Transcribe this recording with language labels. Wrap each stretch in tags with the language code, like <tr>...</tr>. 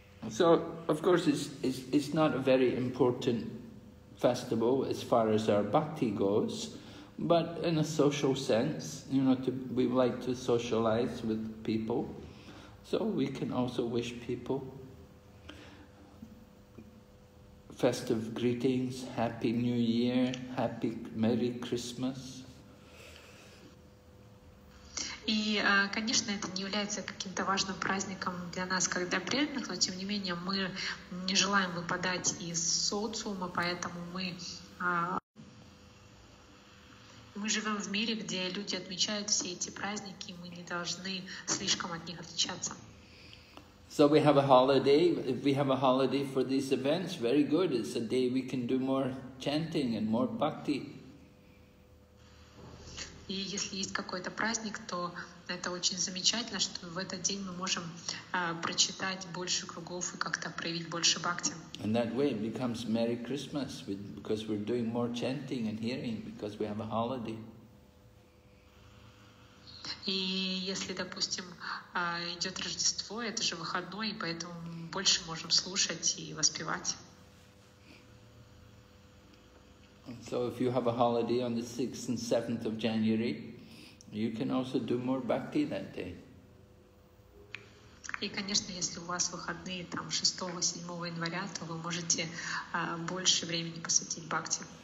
<en>So, of course, it's not a very important festival as far as our bhakti goes, but in a social sense, you know, we like to socialize with people, so we can also wish people festive greetings, Happy New Year, Happy Merry Christmas.</en> <ru>И, конечно, это не является каким-то важным праздником для нас, когда преданных, но, тем не менее, мы не желаем выпадать из социума, поэтому мы живем в мире, где люди отмечают все эти праздники, и мы не должны слишком от них отличаться.</ru> <en>So we have a holiday. If we have a holiday for these events, very good. It's a day we can do more chanting and more bhakti.</en> <ru>И если есть какой-то праздник, то это очень замечательно, что в этот день мы можем прочитать больше кругов и как-то проявить больше бхакти.</ru> <en>And that way it becomes Merry Christmas, because we're doing more chanting and hearing, because we have a holiday.</en> <ru>И если, допустим, идет Рождество, это же выходной, и поэтому мы больше можем слушать и воспевать.</ru> <en>So if you have a holiday on the 6th and 7th of January, you can also do more bhakti that day.</en> <ru>И, конечно, если у вас выходные там 6-7 января, то вы можете больше времени посвятить бхакти.</ru>